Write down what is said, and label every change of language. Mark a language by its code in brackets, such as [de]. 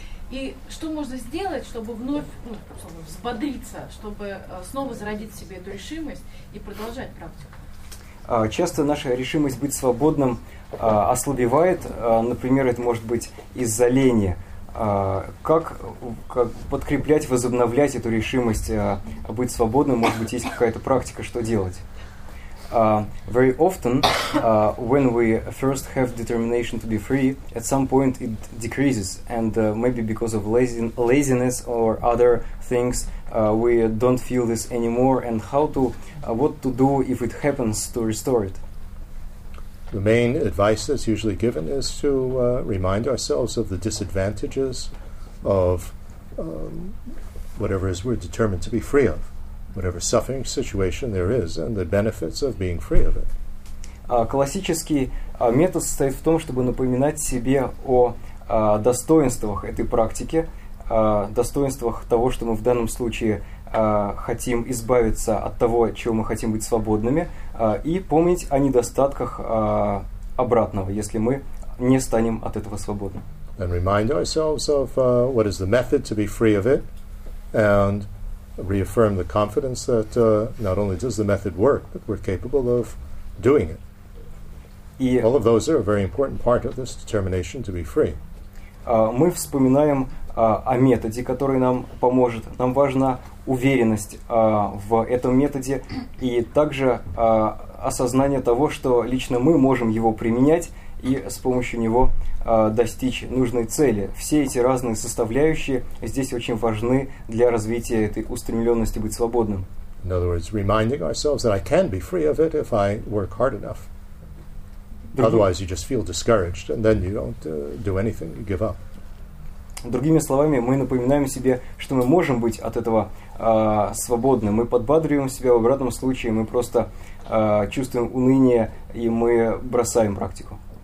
[ru] И что можно сделать, чтобы вновь, ну, чтобы взбодриться, чтобы снова зародить в себе эту решимость и продолжать практику? Часто наша решимость быть свободным ослабевает. Например, это может быть из-за лени. Как подкреплять, возобновлять эту решимость быть свободным? Может быть, есть какая-то практика, что делать? [en] Very often, when we first have determination to be free, at some point it decreases, and maybe because of laziness or other things, we don't feel this anymore. And how to, what to do if it happens, to restore it? The main advice that's usually given is to remind ourselves of the disadvantages of whatever it is we're determined to be free of, whatever suffering situation there is, and the benefits of being free of it. [ru] Классический метод состоит в том, чтобы напоминать себе о достоинствах этой практики, достоинствах того, что мы в данном случае хотим избавиться от того, чего мы хотим быть свободными, и помнить о недостатках обратного, если мы не станем от этого свободны. [en] And remind ourselves of what is the method to be free of it, and reaffirm the confidence that not only does the method work, but we're capable of doing it. [ru] И [en] all of those are a very important part of this determination to be free. [ru] Мы вспоминаем о методе, который нам поможет. Нам важна уверенность в этом методе и также осознание того, что лично мы можем его применять и с помощью него достичь нужной цели. Все эти разные составляющие здесь очень важны для развития этой устремленности быть свободным. [en] In other words, reminding ourselves that I can be free of it if I work hard enough. Otherwise, you just feel discouraged and then you don't do anything, you give up. [ru] Другими словами, мы напоминаем себе, что мы можем быть от этого свободны. Мы подбадриваем себя, в обратном случае мы просто чувствуем уныние, и мы бросаем практику.